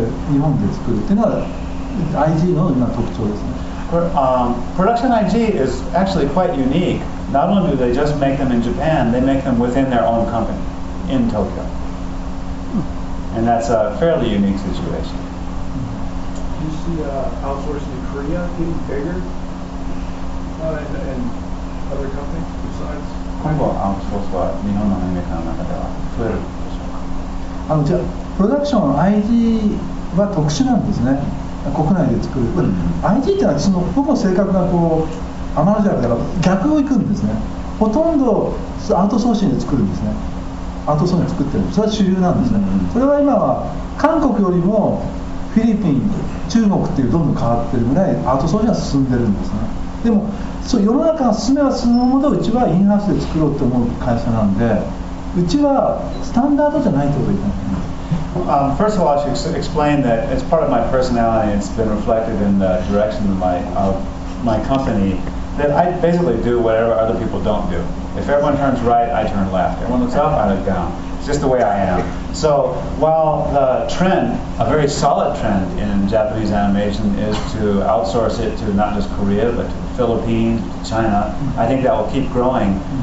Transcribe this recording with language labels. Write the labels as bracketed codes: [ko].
[ja] 日本で作るっていうのは IG の今特徴ですね。 [en] Production IG is actually quite unique. Not only do they just make them in Japan, they make them within their own company in Tokyo. And that's a fairly unique situation. Do you see outsourcing in Korea getting bigger? And other companies besides? [ja] 今後 outsource は日本のアニメーターの中では増えるでしょうか。プロダクション IG は特殊なんですね。国内で作る、IG ってのはそのほぼ正確なこうアナログだから逆をいくんですね。ほとんどアウトソーシングで作るんですね。アウトソーシングで作ってる、それは主流なんですね。それは今は韓国よりもフィリピン、中国っていうどんどん変わってるぐらいアウトソーシングは進んでるんですね。でもそう世の中が進めば進むほどうちはインハウスで作ろうと思う会社なんで、うちはスタンダードじゃないってこと言ったんですね。 [en] First of all, I should explain that it's part of my personality, it's been reflected in the direction of my company, that I basically do whatever other people don't do. If everyone turns right, I turn left. Everyone looks up, I look down. It's just the way I am. So while the trend, a very solid trend in Japanese animation, is to outsource it to not just Korea, but to the Philippines, to China, I think that will keep growing.